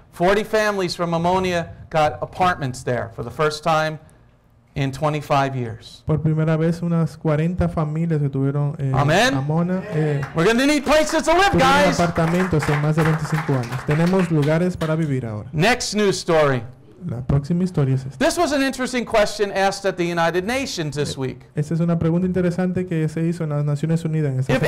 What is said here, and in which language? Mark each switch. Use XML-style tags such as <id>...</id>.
<en>40 families from Ammonia got apartments there for the first time in 25 years.</en> <es>Por primera vez unas 40 familias estuvieron en Ammonia.</es> <en>We're going to need places to live, guys.</en> <es>Apartamentos en más de 25 años. Tenemos lugares para vivir ahora.</es> <en>Next news story.</en> <es>La próxima historia es esta.</es> <en>This was an interesting question asked at the United Nations this week.</en> <es>Esta es una pregunta interesante que se hizo en las Naciones Unidas en esta semana.</es>